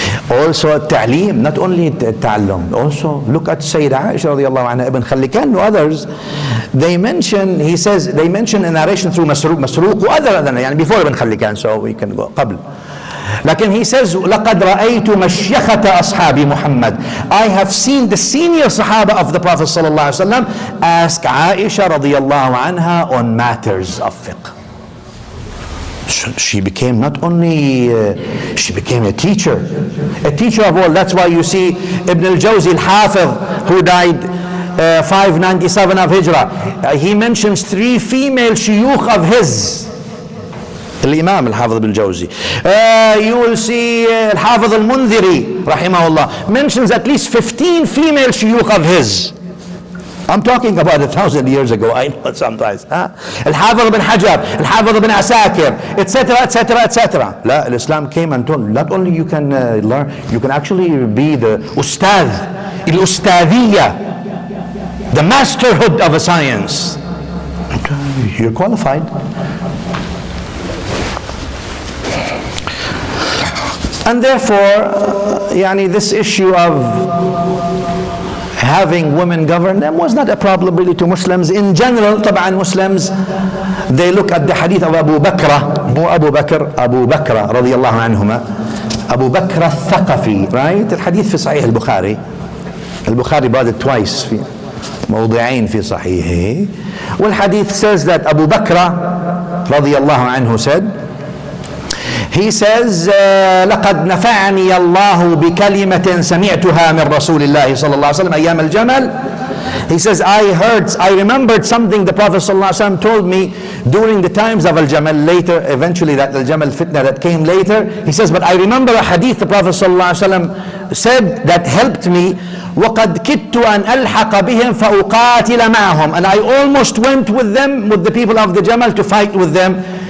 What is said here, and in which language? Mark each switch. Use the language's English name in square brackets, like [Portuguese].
[English] Also, التعليم, not only التعلم, also look at Sayyida Aisha radiallahu anha, Ibn Khallikan and others. They mention, he says, they mention a narration through Masruq, other than, before Ibn Khallikan, so we can go, قبل. [Arabic] لكن [English] he says [Arabic] لقد رأيت مشيخة أصحاب محمد. [English] I have seen the senior صحابة of the Prophet صلى الله عليه وسلم ask عائشة رضي الله عنها on matters of fiqh. She became not only she became a teacher of all. That's why you see Ibn al-Jawzi al-Hafiz, who died 597 of Hijra, he mentions three female shuyukh of his. [Arabic] الإمام الحافظ بن الجوزي. [English] You will see الحافظ المنذري رحمه الله mentions at least 15 female shuyukh of his. I'm talking about 1,000 years ago. I know sometimes. [Arabic] الحافظ بن حجر, الحافظ بن عساكر, etc., etc., etc. [English] لا, الإسلام came and told not only you can learn, you can actually be the أستاذ, الأستاذية, the masterhood of a science. You're qualified. And therefore, يعني this issue of having women govern them was not a problem really to Muslims in general. طبعا Muslims, they look at the hadith of Abu Bakr, Abu Bakr رضي الله عنهما, Abu Bakr الثقفي, right? [Arabic] الحديث في صحيح البخاري. البخاري [English] brought it twice [Arabic] في موضعين في صحيحه. والحديث [English] says that Abu Bakr [Arabic] رضي الله عنه [English] said, he says [Arabic] لقد نفعني الله بكلمة سمعتها من رسول الله صلى الله عليه وسلم أيام الجمل. [English] He says I remembered something the Prophet صلى الله عليه وسلم told me during the times of al-Jamal, later eventually that al-Jamal fitna that came later. He says but I remember a hadith the Prophet صلى الله عليه وسلم said that helped me. [Arabic] وقد كدت أن ألحق بهم فأقاتل معهم, [English] and I almost went with them, with the people of the Jamal, to fight with them.